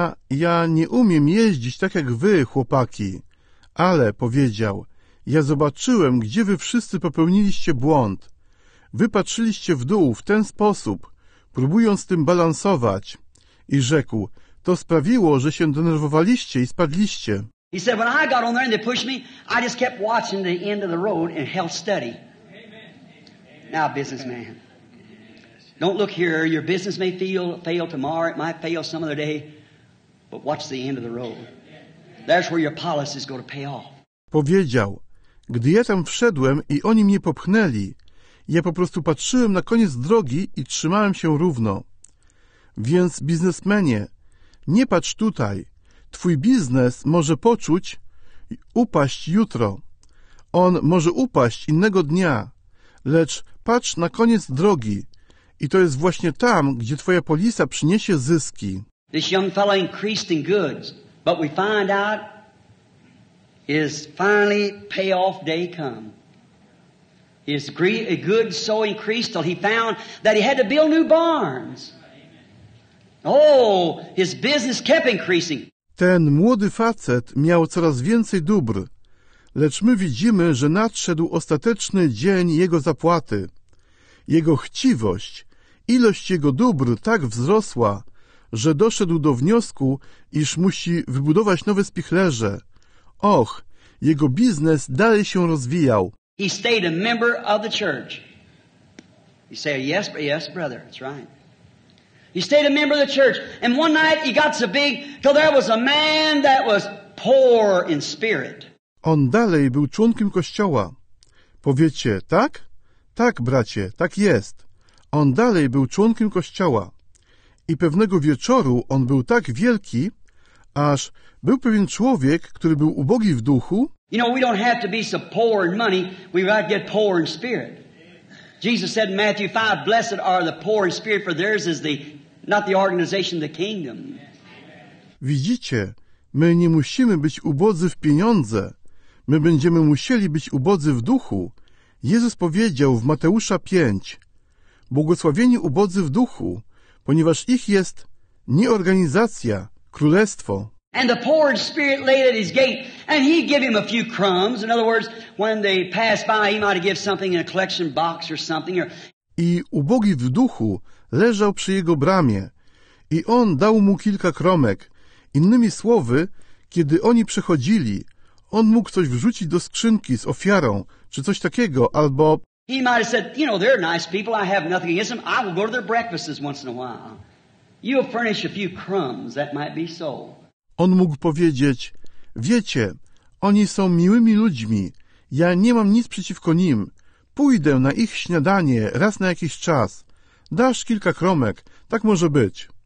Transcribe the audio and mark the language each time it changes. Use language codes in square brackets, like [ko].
[pl] Ja nie umiem jeździć tak jak wy, chłopaki. Ale, powiedział, ja zobaczyłem, gdzie wy wszyscy popełniliście błąd. Wy patrzyliście w dół w ten sposób, próbując tym balansować. I rzekł, to sprawiło, że się denerwowaliście i spadliście. [en] He said, when I got on there and they pushed me, I just kept watching the end of the road and held steady. Amen. Now, businessman. Don't look here. Your business may fail tomorrow. It might fail some other day. But watch the end of the road. That's where your policies go to pay off. [pl] Powiedział, gdy ja tam wszedłem i oni mnie popchnęli, ja po prostu patrzyłem na koniec drogi i trzymałem się równo. Więc biznesmenie, nie patrz tutaj. Twój biznes może poczuć upaść jutro. On może upaść innego dnia. Lecz patrz na koniec drogi. I to jest właśnie tam, gdzie twoja polisa przyniesie zyski. [en] This young fellow increased in goods, but we find out his finally payoff day come. His goods so increased till he found that he had to build new barns. Oh, his business kept increasing. [pl] Ten młody facet miał coraz więcej dóbr, lecz my widzimy, że nadszedł ostateczny dzień jego zapłaty. Jego chciwość, ilość jego dóbr tak wzrosła, że doszedł do wniosku, iż musi wybudować nowe spichlerze. Och, jego biznes dalej się rozwijał. [en] He stayed a member of the church. He said, yes, brother, that's right. He stayed a member of the church. And one night he got so big, till there was a man that was poor in spirit. [pl] On dalej był członkiem kościoła. Powiecie, tak? Tak, bracie, tak jest. On dalej był członkiem kościoła. I pewnego wieczoru on był tak wielki, aż był pewien człowiek, który był ubogi w duchu. [en] You know, we don't have to be so poor in money, we might get poor in spirit. Jesus said in Matthew 5, blessed are the poor in spirit, for theirs is the, not the organization, the kingdom. [pl] Widzicie, my nie musimy być ubodzy w pieniądze. My będziemy musieli być ubodzy w duchu. Jezus powiedział w Mateusza 5, błogosławieni ubodzy w duchu, ponieważ ich jest nie organizacja, królestwo. [en] And the poor in spirit laid at his gate, and he'd give him a few crumbs. In other words, when they passed by, he might give something in a collection box or something. [pl] I ubogi w duchu leżał przy jego bramie, i on dał mu kilka kromek. Innymi słowy, kiedy oni przechodzili, on mógł coś wrzucić do skrzynki z ofiarą, czy coś takiego, albo... [en] He might have said, you know, they're nice people, I have nothing against them, I will go to their breakfasts once in a while. You'll furnish a few crumbs, that might be so. [pl] On mógł powiedzieć, wiecie, oni są miłymi ludźmi, ja nie mam nic przeciwko nim, pójdę na ich śniadanie raz na jakiś czas, dasz kilka kromek, tak może być.